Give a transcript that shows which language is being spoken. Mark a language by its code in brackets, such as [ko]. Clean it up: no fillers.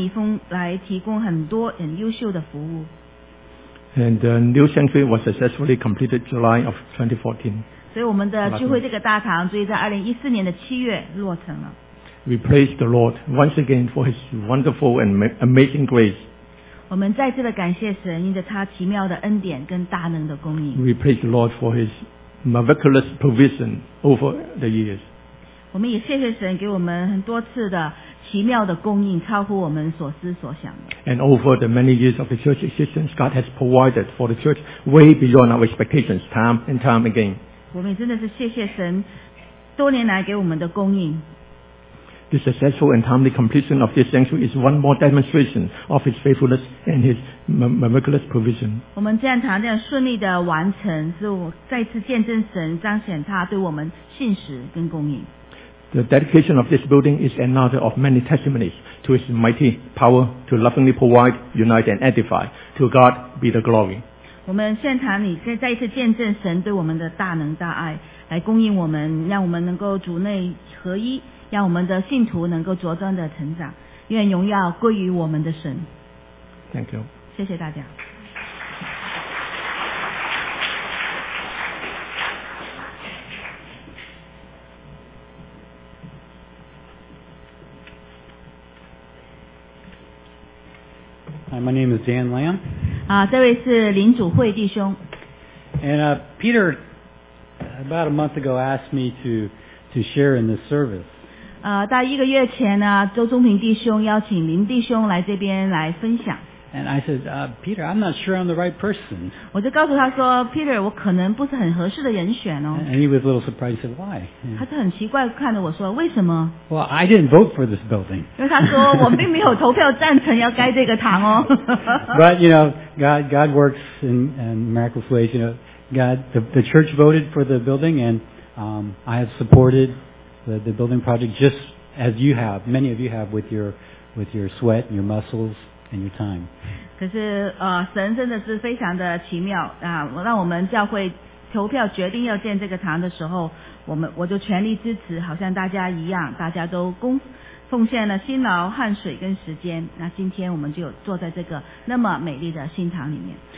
[zh] 我们也是谢谢教会很多志愿者，他们用爱心来提供很多很优秀的服务。 [en] And the new sanctuary was successfully completed July of 2014. [zh] 所以我们的聚会这个大堂，终于在2014年的7月落成了。 [en] We praise the Lord once again for His wonderful and amazing grace. [zh] 我们再次的感谢神，因着他奇妙的恩典跟大能的供应。 [en] We praise the Lord for His miraculous provision over the years. [zh] 我们也谢谢神给我们很多次的奇妙的供应，超乎我们所思所想。 [en] And over the many years of the church existence, God has provided for the church way beyond our expectations, time and time again. [zh] 我们真的是谢谢神多年来给我们的供应。 [en] the successful and timely completion of this sanctuary is one more demonstration of His faithfulness and His miraculous provision. [zh] 我们建堂这样顺利的完成，是我再次见证神彰显他对我们信实跟供应。 [en] The dedication of this building is another of many testimonies to His mighty power to lovingly provide, unite, and edify. To God be the glory. [zh] 我们现场里再一次见证神对我们的大能大爱，来供应我们，让我们能够主内合一，让我们的信徒能够茁壮的成长。愿荣耀归于我们的神。 [en] Thank you. [zh] 谢谢大家。 [en] Hi, my name is Dan Lam. [zh] 啊，这位是林祖慧弟兄。 [en] And Peter, about a month ago, asked me to share in this service. [zh] 大一个月前呢，周宗平弟兄邀请林弟兄来这边来分享。 [en] And I said, Peter, I'm not sure I'm the right person. [zh] 我就告诉他说 ，Peter， 我可能不是很合适的人选哦。 [en] And he was a little surprised. He said, Why? [zh] 他就很奇怪看着我说，为什么 [en] ？Well, I didn't vote for this building. [zh] 因为他说我并没有投票赞成要盖这个堂哦。 [en] But you know, God works in miraculous ways. You know, God, the church voted for the building, and I have supported the building project just as you have, many of you have, with your sweat and your muscles. And your time. [zh] 可是神真的是非常的奇妙啊！让我们教会投票决定要建这个堂的时候，我就全力支持，好像大家一样，大家都奉献了辛劳、汗水跟时间。那今天我们就坐在这个那么美丽的新堂里面。